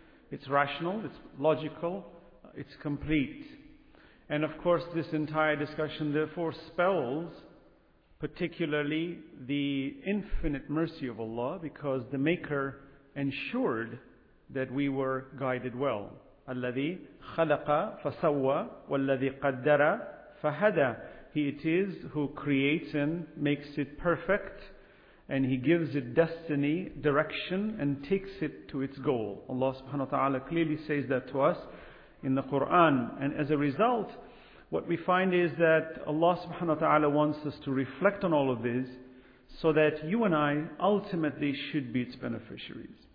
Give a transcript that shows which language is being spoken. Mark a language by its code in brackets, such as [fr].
[en] It's rational, it's logical, it's complete. And of course this entire discussion therefore spells particularly the infinite mercy of Allah, because the Maker ensured that we were guided well. [ar] الذي خلق فسوى والذي قدر فهدى. [en] He it is who creates and makes it perfect, and He gives it destiny, direction, and takes it to its goal. Allah subhanahu wa ta'ala clearly says that to us in the Quran. And as a result, what we find is that Allah subhanahu wa ta'ala wants us to reflect on all of this so that you and I ultimately should be its beneficiaries.